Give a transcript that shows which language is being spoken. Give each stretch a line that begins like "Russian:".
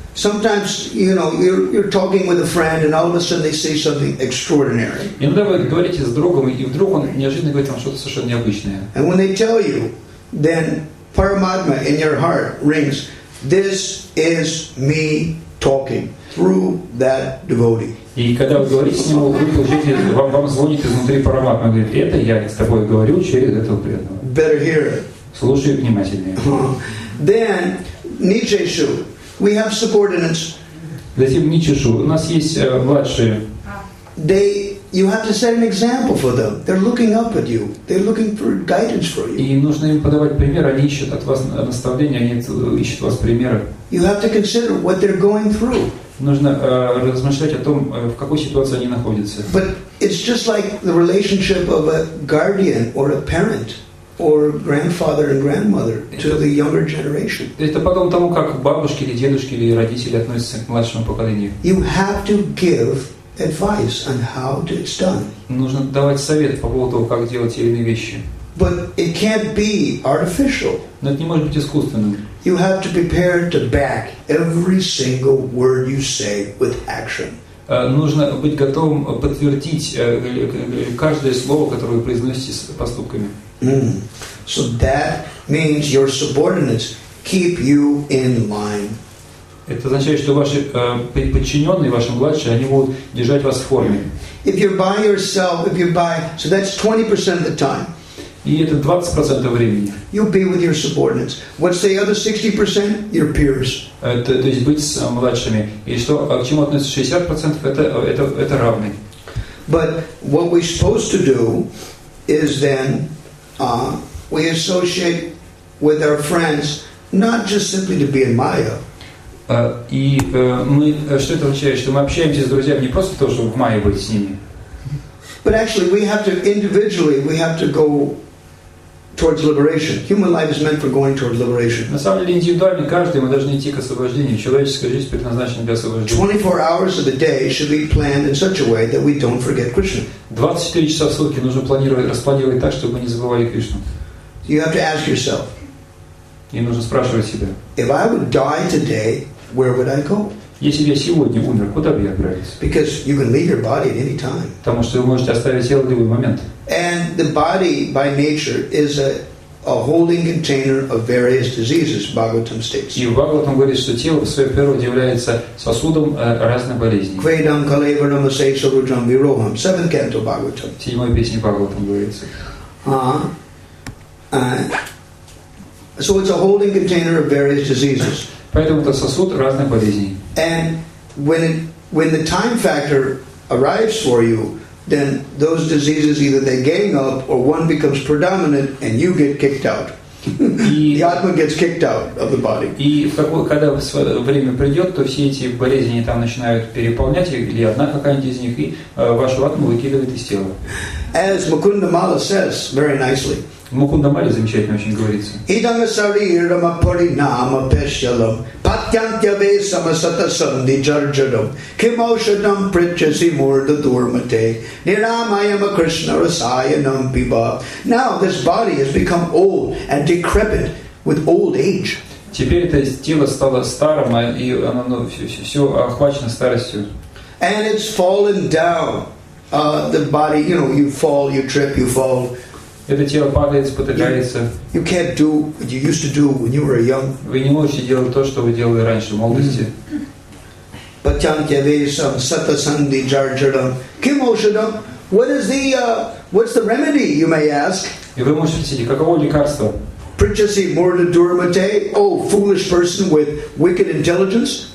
English: Sometimes, you know, you're talking with a friend and all of a sudden they say something extraordinary.
Russian: Иногда вы говорите с другом, и вдруг он неожиданно говорит вам что-то совершенно необычное.
English: And when they tell you, then Paramatma in your heart rings, this is me talking through that devotee.
Russian: И когда вы говорите с ним, вы получаете, вам звонит изнутри Параматма, говорит, это я с тобой говорю через этого преданного.
English: Better hear it.
Russian: Слушай внимательнее.
English: Then, Ничешу, we have subordinates.
Russian: Затем Ничешу, у нас есть младшие.
English: They, you have to set an example for them. They're looking up at you. They're looking for guidance for you.
Russian: И нужно им подавать пример. Они ищут от вас наставления. Они ищут от вас примера.
English: You have to consider what they're going through.
Russian: Нужно размышлять о том, в какой ситуации они находятся.
English: But it's just like the relationship of a guardian or a parent or grandfather and grandmother to the younger generation.
Russian: Это потом тому, как бабушки или дедушки или родители относятся к младшему поколению.
English: You have to give advice on how it's done.
Russian: Нужно давать совет по поводу того, как делать те или иные вещи.
English: But it can't be artificial.
Russian: Но это не может быть искусственным.
English: You have to prepare to back every single word you say with action.
Russian: Нужно быть готовым подтвердить каждое слово, которое вы произносите, с поступками.
English: So that means your subordinates keep you in line.
Russian: Это означает, что ваши подчиненные, ваши младшие, они будут держать вас в форме.
English: If you're by yourself, if you're by, so that's 20% of the time.
Russian: И это 20% времени.
English: You'll be with your subordinates. What's the other 60%? Your peers.
Russian: То есть быть с младшими. И что, к чему относится 60%? Это равный.
English: But what we're supposed to do is then we associate with our friends, not just simply to be in Maya.
Russian: И мы, что это означает, что мы общаемся с друзьями не просто то, чтобы в Майе быть с ними.
English: But actually, we have to individually, we have to go towards liberation. Human life is meant for going towards liberation.
Russian: На самом деле, индивидуально каждый мы должны идти к освобождению. Человеческая жизнь предназначена для освобождения.
English: 24 hours of the day should be planned in such a way that we don't forget Krishna.
Russian: 24 часа в сутки нужно планировать, распланировать так, чтобы мы не забывали Кришну.
English: You have to ask yourself.
Russian: И нужно спрашивать себя.
English: If I would die today, where would I go?
Russian: Если бы я сегодня умер, куда бы я отправился?
English: Because you can leave your body at any time.
Russian: Потому что вы можете оставить тело в любой момент.
English: And the body by nature is a holding container of various diseases, Bhagavatam states.
Russian: И в Бхагаватам говорится, что тело в своей природе является сосудом разных болезней.
Sanskrit: Kvedam kalevaram asesha rudram viroham.
English: Seventh canto Bhagavatam.
Russian: Седьмой песни Бхагаватам говорится.
English: So it's a holding container of various diseases.
Russian: Поэтому это сосуд разных болезней.
English: And when the time factor arrives for you, then those diseases either they gang up or one becomes predominant and you get kicked out. The atma gets kicked out of the body.
Russian: И когда время придет, то все эти болезни там начинают переполнять или одна какая-нибудь из них и вашу атму выкидывает из тела.
English: As Mukunda Mala says very nicely.
Russian: Мукунда Мали замечательно очень говорится.
Sanskrit: Идама сарирама паринама пешалам патянтя весама сатасанди джарджадам кимаушадам притчаси мурда дурмате нирамайама кришна расаянам пиба.
English: Now this body has become old and decrepit with old age.
Russian: Теперь это тело стало старым, и оно все охвачено старостью.
English: And it's fallen down. The body, you know, you fall, you trip, you fall.
Russian: Это тело падает, спотыкается.
English: You can't do what you used to do when you were young.
Russian: Вы не можете делать то, что вы делали раньше в молодости.
Sanskrit: Patyantyavesam satasandhi jarjadam kimoshadam.
English: What's the remedy, you may ask?
Russian: И вы можете спросить, каково лекарство?
Sanskrit: Pritchasi morda durmate.
English: Oh, foolish person with wicked intelligence.